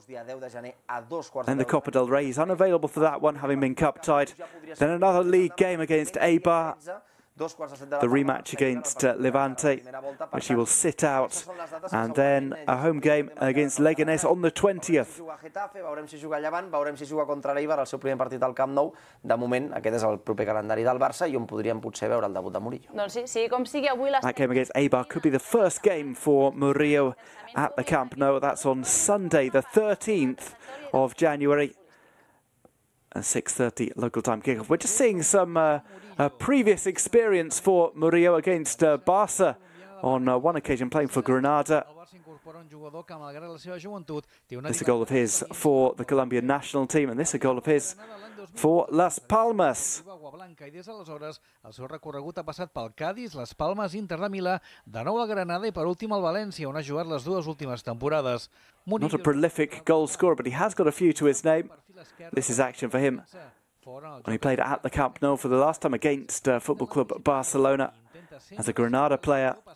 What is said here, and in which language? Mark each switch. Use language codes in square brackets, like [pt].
[en] Then the Copa del Rey is unavailable for that one, having been cup-tied. Then another league game against Eibar. The rematch against Levante, which he will sit out. And then a home game against Leganés on the 20th. [ca] Veurem si juga a Llevant, veurem si juga contra l'Eibar, el seu primer partit al Camp Nou. De moment, aquest és el proper calendari del Barça i on podríem potser veure el debut de Murillo. Doncs sí, sigui com sigui, avui... [en] That game against Eibar could be the first game for Murillo at the Camp Nou. That's on Sunday, the 13th of January. 6:30 local time kickoff. We're just seeing some previous experience for Murillo against Barça on one occasion playing for Granada. This is a goal of his for the Colombian national team, and this is a goal of his for Las Palmas. [ca] I des d'aleshores, el seu recorregut ha passat pel Cádiz, Las Palmas, Inter de Milà, de nou a Granada i per últim al València, on ha jugat les dues últimes temporades. [en] Not a prolific goal scorer, but he has got a few to his name. This is action for him. When he played at the Camp Nou for the last time against Football Club Barcelona as a Granada player.